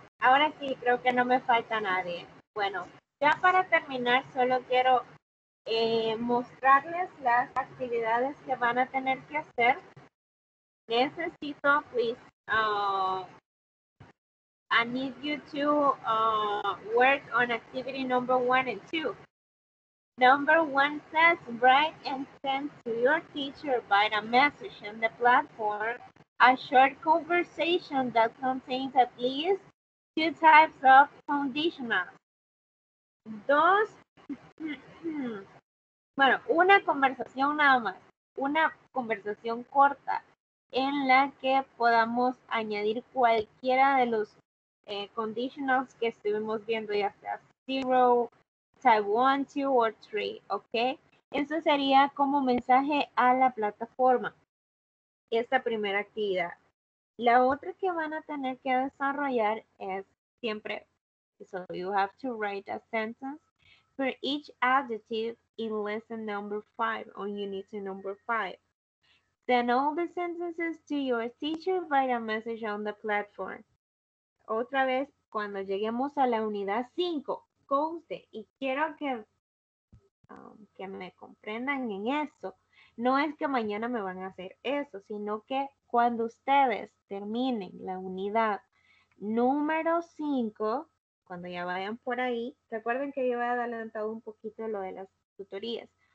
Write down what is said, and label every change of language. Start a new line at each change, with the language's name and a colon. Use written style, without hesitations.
Spanish: Ahora sí, creo que no me falta nadie. Bueno, ya para terminar, solo quiero mostrarles las actividades que van a tener que hacer. Necesito,
English: please, I need you to work on activity number one and two. Number one says, write and send to your teacher by the message in the platform a short conversation that contains at least two types of conditionals.
Spanish: Dos, bueno, una conversación nada más, una conversación corta en la que podamos añadir cualquiera de los conditionals que estuvimos viendo, ya sea
English: zero, type one, two, or three,
Spanish: ¿ok? Eso sería como mensaje a la plataforma, esta primera actividad. La otra que van a tener que desarrollar es siempre...
English: So you have to write a sentence for each adjective in lesson number five on unit number five. Send all the sentences to your teacher via message on the platform.
Spanish: Otra vez, cuando lleguemos a la unidad 5, conste, y quiero que me comprendan en eso. No es que mañana me van a hacer eso, sino que cuando ustedes terminen la unidad número 5, cuando ya vayan por ahí, recuerden que yo he adelantado un poquito lo de las tutorías.